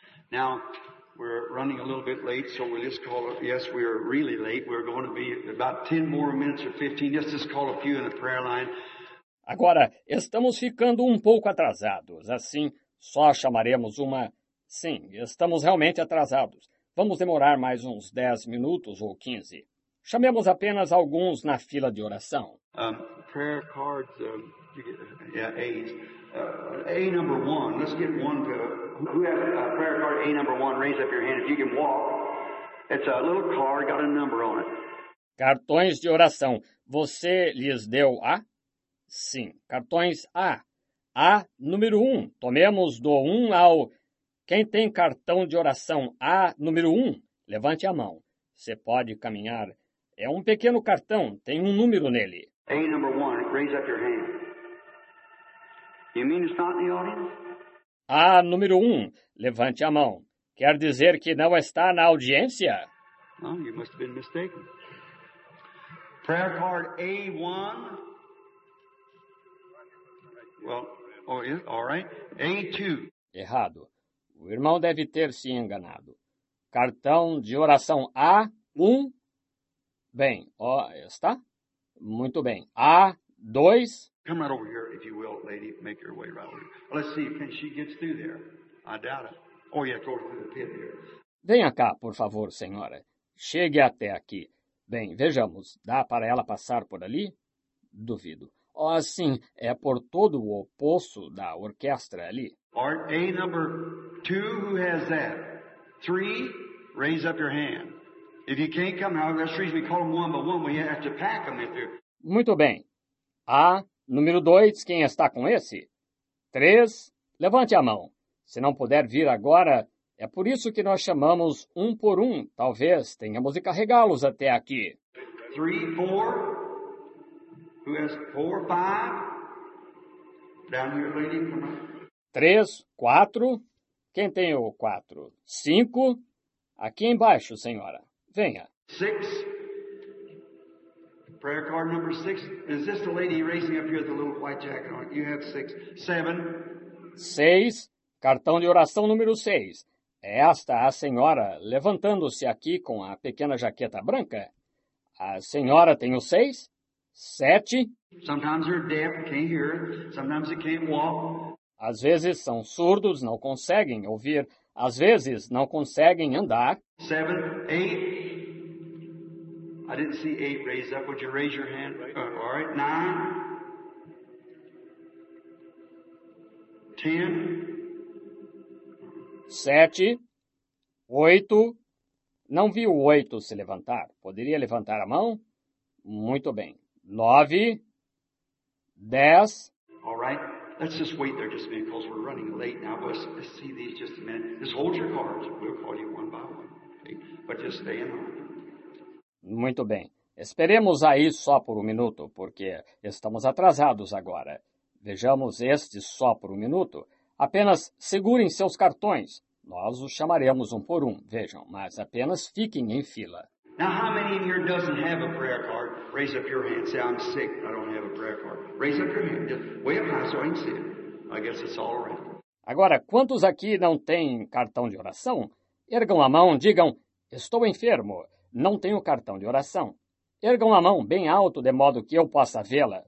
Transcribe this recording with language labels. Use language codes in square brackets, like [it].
[en] Now, We're running a little bit late, so we'll just call it. Yes, we are really late. We're going to be about 10 more minutes or 15. Just call a few in the prayer line. [pt] Agora, estamos ficando pouco atrasados. Assim, só chamaremos uma... Sim, estamos realmente atrasados. Vamos demorar mais uns 10 minutos ou 15. Chamemos apenas alguns na fila de oração. [en] Prayer cards, yeah, A's. A number one, let's get one to... Who has a prayer card A number one? Raise up your hand if you can walk. It's a little card, got a number on it. [pt] Cartões de oração, você lhes deu A? Sim, cartões A. A número 1, tomemos do 1 ao... Quem tem cartão de oração A número 1, levante a mão. Você pode caminhar. É um pequeno cartão, tem um número nele. [en] A number 1, raise up your hand. You mean it's not in the audience? [pt] A número 1, levante a mão. Quer dizer que não está na audiência? [en] Oh, you must have been mistaken. Prayer card A1. Well, oh, yeah, all right. A2. [pt] Errado. O irmão deve ter se enganado. Cartão de oração A1. Bem, ó, está? Muito bem. A2. [en] Come right over here, if you will, lady. Make your way right over here. Let's see if she gets through there. I doubt it. Oh, yeah, go through the pit here. [pt] Venha cá, por favor, senhora. Chegue até aqui. Bem, vejamos. Dá para ela passar por ali? Duvido. Ó, sim, é por todo o poço da orquestra ali. [en] Art A number 2, who has that? 3, raise up your hand. If you can't come, however, that's the reason we call them one by one, we have to pack them if you... [pt] Muito bem. A número 2, quem está com esse? 3, levante a mão. Se não puder vir agora, é por isso que nós chamamos um por um. Talvez tenhamos de carregá-los até aqui. [en] 3, 4, who has 4, 5, down here, lady, come on. [pt] 3, 4, quem tem o 4? 5, aqui embaixo, senhora. Venha. [en] 6, prayer card number 6. Is this the lady raising up here with the little white jacket on? You have 6. 7. [pt] 6, cartão de oração número 6. É esta a senhora levantando-se aqui com a pequena jaqueta branca? A senhora tem o 6? 7. [en] Sometimes they're deaf, can't hear. Sometimes they can't walk. [pt] Às vezes são surdos, não conseguem ouvir. Às vezes não conseguem andar. [en] 7, 8. I didn't see 8 raise up. Would you raise your hand? All right, 9. 10. [pt] 7. 8. Não vi o 8 se levantar. Poderia levantar a mão? Muito bem. 9. 10. [en] All right. Let's just wait there just a minute, because we're running late now. Let's see these just a minute. Just hold your cards. We'll call you one by one. Okay? But just stay in line. [pt] Muito bem. Esperemos aí só por um minuto, porque estamos atrasados agora. Vejamos este só por um minuto. Apenas segurem seus cartões. Nós os chamaremos um por um. Vejam, mas apenas fiquem em fila. [en] Now, how many in here doesn't have a prayer card? Raise up your hand. Say, I'm sick. I don't have a prayer card. Raise up your hand. Way up high so I can see it. I guess it's all right. [pt] Agora, quantos aqui não têm cartão de oração? Ergam a mão, digam, estou enfermo. Não tenho cartão de oração. Ergam a mão bem alto, de modo que eu possa vê-la.